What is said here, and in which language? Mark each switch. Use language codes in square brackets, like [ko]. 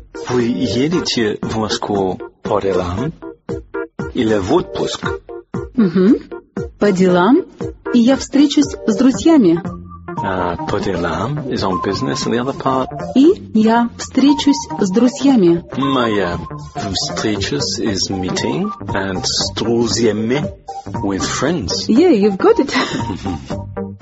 [ru] Вы едете в Москву по делам или в отпуск? По делам. И я встречусь с друзьями. По делам [en] is on business and the other part. [ru] И я встречусь с друзьями. Моя встреча [en] is meeting and [ru] с друзьями [en] with friends. Yeah, you've got it.